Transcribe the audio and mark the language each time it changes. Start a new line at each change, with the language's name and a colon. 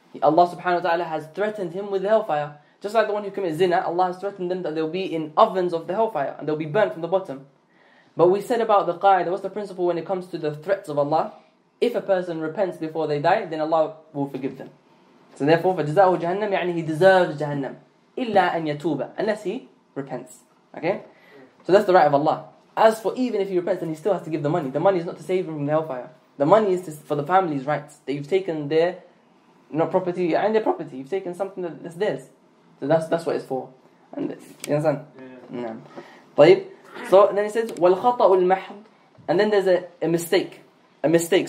English: Allah subhanahu wa ta'ala has threatened him with hellfire. Just like the one who commits zina, Allah has threatened them that they'll be in ovens of the hellfire, and they'll be burnt from the bottom. But we said about the qa'id, what's the principle when it comes to the threats of Allah? If a person repents before they die, then Allah will forgive them. So therefore,
Arabic: فَجَزَاؤُهُ جَهَنَّمُ,
English: يعني he deserves جَهَنَّمُ.
Arabic: إلا أن يتوب,
English: unless he repents. Okay? So that's the right of Allah. As for even if he repents, then he still has to give the money. The money is not to save him from the hellfire. The money is for the family's rights. That you've taken their property, and their property. You've taken something that's theirs. So that's what it's for. And you understand? Yeah. طيب. So then he says,
Arabic: وَالْخَطَأُ الْمَحْضُ.
English: And then there's a mistake. A mistake.